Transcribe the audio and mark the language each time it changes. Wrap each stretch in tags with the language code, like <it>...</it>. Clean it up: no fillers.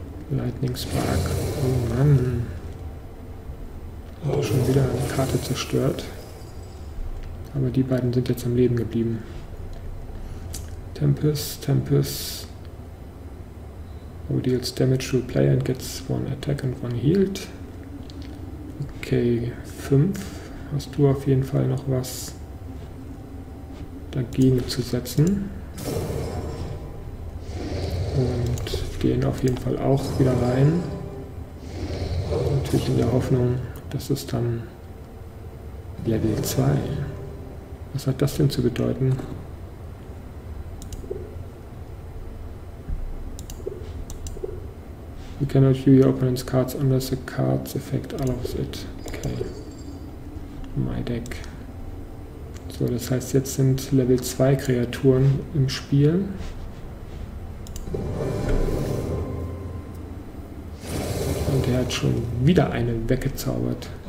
<de>Lightning Spark. Oh Mann. Hat er schon wieder eine Karte zerstört. Aber die beiden sind jetzt am Leben geblieben. Tempest.</de> <en>Oh, deals damage to a player and gets 1 attack and 1 healed. Okay, 5.</en> <de>Hast du auf jeden Fall noch was dagegen zu setzen. Und stehen auf jeden Fall auch wieder rein. Natürlich in der Hoffnung, dass es dann Level 2. Was hat das denn zu bedeuten?</de> <en>You cannot view your opponent's cards unless the cards affect all of it. Okay. My deck.</en> <de>So, das heißt, jetzt sind Level 2 Kreaturen im Spiel. Und er hat schon wieder eine weggezaubert.</de>